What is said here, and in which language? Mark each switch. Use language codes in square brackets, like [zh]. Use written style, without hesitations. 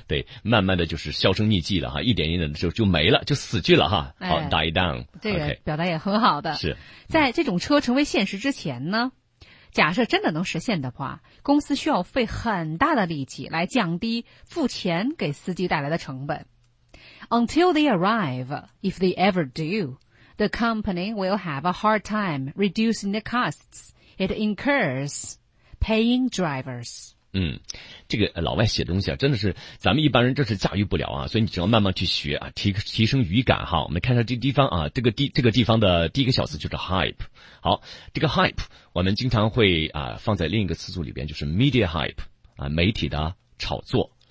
[zh] 对，慢慢的就是销声匿迹了哈，一点一点的就没了，就死去了哈。好、哎、 [en] ，die down， [zh] 这个表达也很好的。是、 okay ，在这种车成为现实之前呢，假设真的能实现的话，公司需要费很大的力气来降低付钱给司机带来的成本。 [en] Until they arrive, if they ever do, the company will have a hard time reducing the costs it incurs paying drivers。 [zh] 这个老外写东西啊真的是咱们一般人这是驾驭不了啊，所以你只要慢慢去学啊，提升语感哈。我们看一下这地方啊，这个地方的第一个小词就是 hype。好，这个 hype 我们经常会放在另一个词组里边，就是 media hype， 媒体的炒作。